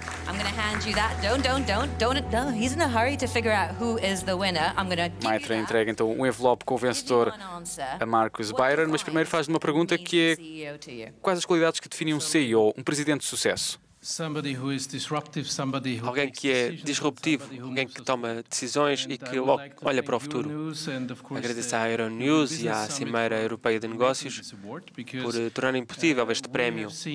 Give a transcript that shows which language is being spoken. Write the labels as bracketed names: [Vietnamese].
[English] I'm going to hand you that. Don't. He's in a hurry to figure out who is the winner. I'm going to give you that. [Portuguese] Maitre entrega então um envelope com o vencedor a Markus Beyerer, mas primeiro faz-lhe uma pergunta que é: quais as qualidades que definem um CEO, um presidente de sucesso? [English] Somebody who is disruptive, somebody who [Portuguese] alguém que é disruptivo, alguém que toma decisões e que olha para o futuro. Agradeço à Euronews e à Cimeira Europeia de Negócios por tornarem possível este prémio.